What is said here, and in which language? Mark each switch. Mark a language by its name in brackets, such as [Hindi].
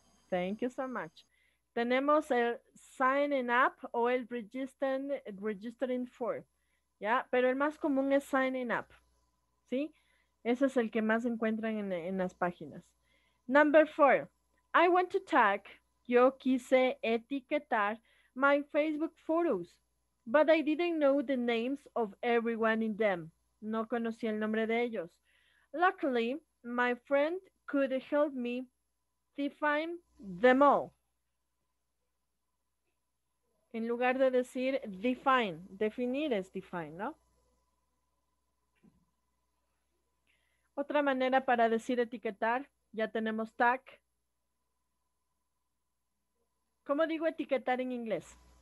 [English] Thank you so much. [Spanish] Tenemos el [English] signing up o el registering for. ¿Ya? [Spanish] Pero el más común es signing up. ¿Sí? Ese es el que más encuentran en las páginas. [English] Number four. I want to tag. [Spanish] Yo quise etiquetar [English] my Facebook photos, but I didn't know the names of everyone in them. [Spanish] No conocí el nombre de ellos. [English] Luckily, my friend could help me define them all. [Spanish] En lugar de decir define, definir es define, ¿no? Otra manera para decir etiquetar, ya tenemos tag. ¿Cómo digo etiquetar en inglés?